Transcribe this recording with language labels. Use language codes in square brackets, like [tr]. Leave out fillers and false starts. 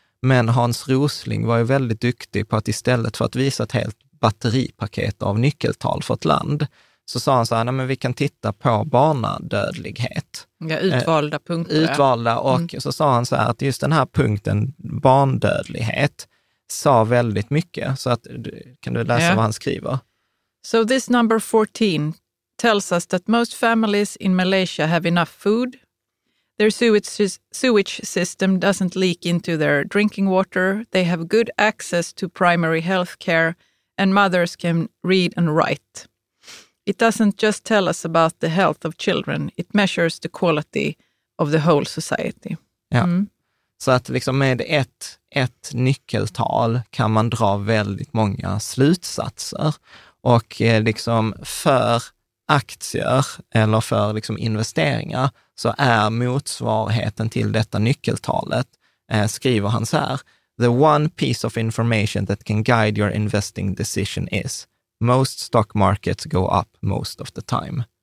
[sv] Men Hans Rosling var ju väldigt duktig på att istället för att visa ett helt batteripaket av nyckeltal för ett land, så sa han så här, nej, men vi kan titta på barnadödlighet. Ja, utvalda punkter. Utvalda, och så sa han så här att just den här punkten, barndödlighet, sa väldigt mycket. Så att, kan du läsa vad han skriver? [en] So this number 14 tells us that most families in Malaysia have enough food. Their sewage system doesn't leak into their drinking water. They have good access to primary health care. And mothers can read and write. It doesn't just tell us about the health of children. It measures the quality of the whole society. [sv] Ja. Mm. Så att liksom med ett nyckeltal kan man dra väldigt många slutsatser. Och liksom för aktier eller för liksom investeringar, så är motsvarigheten till detta nyckeltalet, skriver han så här: [en] the one piece of information that can guide your investing decision is most stock markets go up most of the time.